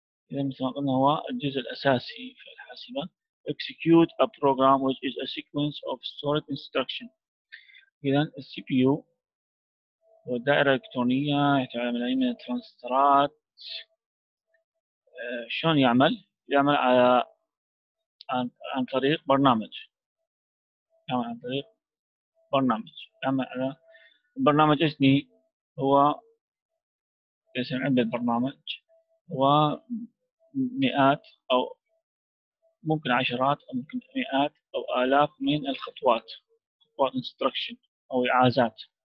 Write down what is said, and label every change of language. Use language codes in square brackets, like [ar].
[ar] إذا مثل ما قلنا هو الجزء الأساسي في الحاسبة. [en] Execute a program which is a sequence of stored instruction. [ar] إذا CPU هو دائرة إلكترونية يحتوي على ملايين من الترانسسترات. شلون يعمل؟ يعمل على عن طريق برنامج. يعمل عن طريق برنامج. يعمل على برنامج اسمي هو اسم عند البرنامج، ومئات أو ممكن عشرات أو ممكن مئات أو آلاف من الخطوات، خطوات instruction أو إعازات.